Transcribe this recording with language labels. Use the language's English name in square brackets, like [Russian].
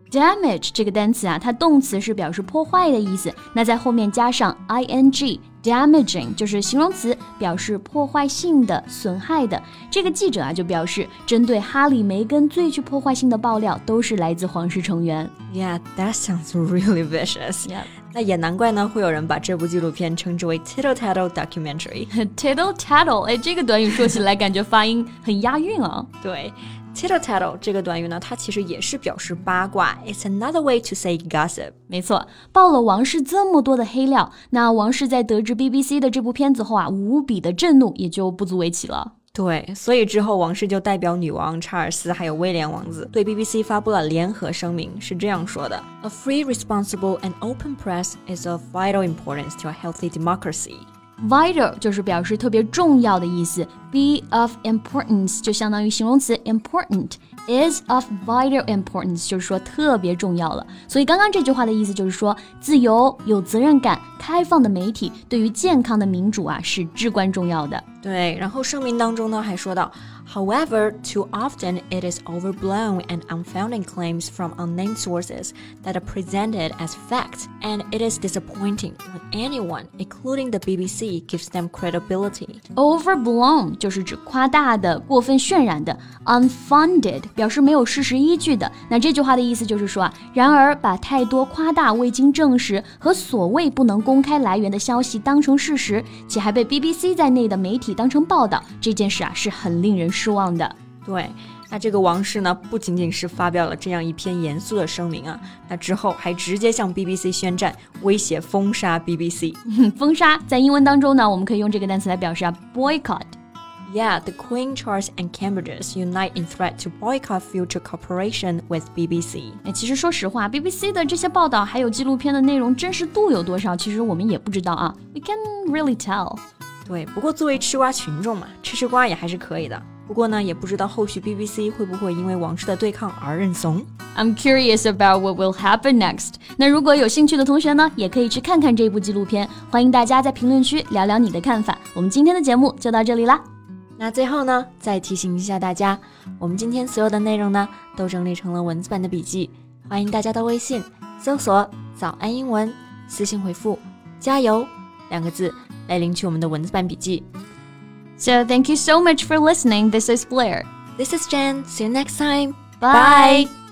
[Chinese] Damage 这个单词啊它动词是表示破坏的意思，那在后面加上 ing, damaging 就是形容词表示破坏性的损害的。这个记者啊就表示针对哈利梅根最具破坏性的爆料都是来自皇室成员。 [English] Yeah, that sounds really vicious. Yeah. [Chinese] 那也难怪呢会有人把这部纪录片称之为 Tittle Tattle Documentary. Tittle Tattle, 哎，这个短语说起来感觉发音很押韵啊。对。 Tittle tattle 这个短语呢它其实也是表示八卦 [English] It's another way to say gossip [Chinese] 没错爆了王室这么多的黑料那王室在得知 BBC 的这部片子后啊无比的震怒也就不足为奇了对所以之后王室就代表女王查尔斯还有威廉王子对 BBC 发布了联合声明是这样说的 [English] A free, responsible and open press is of vital importance to a healthy democracy [Chinese] Vital 就是表示特别重要的意思 [English] Be of importance [Chinese] 就相当于形容词 important [English] Is of vital importance [Chinese] 就是说特别重要了所以刚刚这句话的意思就是说自由、有责任感、开放的媒体对于健康的民主啊是至关重要的对然后声明当中呢还说到 [English] However, too often it is overblown and unfounded claims from unnamed sources that are presented as facts and it is disappointing when anyone, including the BBC, gives them credibility. [Chinese] Overblown 就是指夸大的、过分渲染的 unfounded 表示没有事实依据的那这句话的意思就是说、啊、然而把太多夸大、未经证实和所谓不能公开来源的消息当成事实且还被 BBC 在内的媒体当成报道这件事、啊、是很令人失望的对那这个王室呢不仅仅是发表了这样一篇严肃的声明啊那之后还直接向 BBC 宣战威胁封杀 BBC 封杀在英文当中呢我们可以用这个单词来表示啊 boycott [English] Yeah, the Queen, Charles and Cambridges unite in threat to boycott future cooperation with BBC [Chinese] 其实说实话 BBC 的这些报道还有纪录片的内容真实度有多少其实我们也不知道啊 [English] We can't really tell [Chinese] 对，不过作为吃瓜群众嘛，吃吃瓜也还是可以的。不过呢，也不知道后续 BBC 会不会因为王室的对抗而认怂。 [English] I'm curious about what will happen next. [Chinese] 那如果有兴趣的同学呢，也可以去看看这部纪录片。欢迎大家在评论区聊聊你的看法。我们今天的节目就到这里啦。那最后呢，再提醒一下大家，我们今天所有的内容呢，都整理成了文字版的笔记。欢迎大家到微信搜索“早安英文”，私信回复“加油”两个字。来领取我们的文字版笔记。 [English] So thank you so much for listening. This is Blair. This is Jen. See you next time. Bye. Bye.